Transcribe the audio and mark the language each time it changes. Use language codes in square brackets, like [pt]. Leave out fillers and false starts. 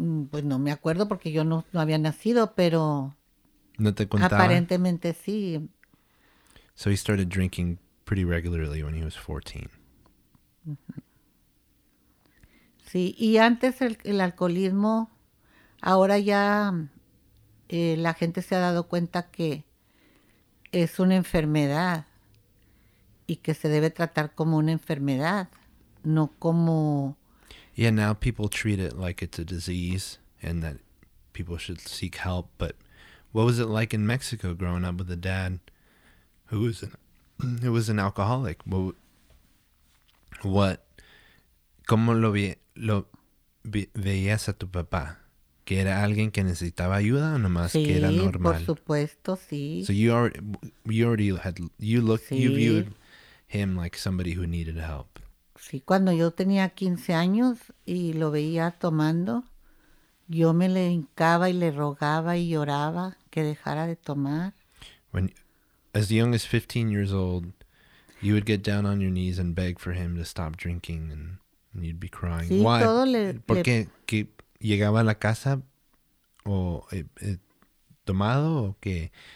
[es] Pues no me acuerdo porque yo no había nacido, pero... ¿No te contaba? Aparentemente sí. [en] So he started drinking pretty regularly when he was 14. [es] Sí, y antes el alcoholismo, ahora ya la gente se ha dado cuenta que es una enfermedad y que se debe tratar como una enfermedad, no como... [en] Yeah, now people treat it like it's a disease and that people should seek help. But what was it like in Mexico growing up with a dad who was an alcoholic? What? [es] ¿Cómo lo veías a tu papá? ¿Que era alguien que necesitaba ayuda o nomás sí, que era normal? Sí, por supuesto, sí. [en] So you viewed him like somebody who needed help. [es] Sí, cuando yo tenía 15 años y lo veía tomando, yo me le hincaba y le rogaba y lloraba que dejara de tomar. [en] When, as young as 15 years old, you would get down on your knees and beg for him to stop drinking and you'd be crying. [es] Sí, [en] why? [es] Todo le, ¿Por le... qué? ¿Que llegaba a la casa o tomado o qué?